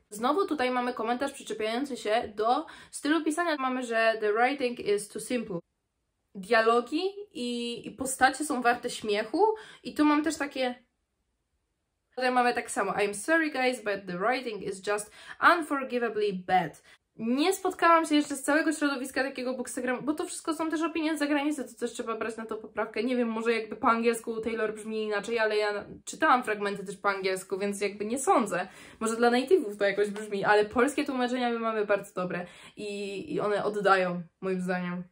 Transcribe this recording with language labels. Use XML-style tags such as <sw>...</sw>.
<pl>Znowu tutaj mamy komentarz przyczepiający się do stylu pisania. Mamy, że</pl> <en>the writing is too simple.</en> <pl>Dialogi i postacie są warte śmiechu i tu mam też takie... Tutaj mamy tak samo,</pl> <en>I'm sorry guys, but the writing is just unforgivably bad.</en> <pl>Nie spotkałam się jeszcze z całego środowiska takiego bookstagramu, bo to wszystko są też opinie z zagranicy, to też trzeba brać na to poprawkę. Nie wiem, może jakby po angielsku Taylor brzmi inaczej, ale ja czytałam fragmenty też po angielsku, więc jakby nie sądzę. Może dla native'ów to jakoś brzmi, ale polskie tłumaczenia my mamy bardzo dobre i one oddają, moim zdaniem.</pl>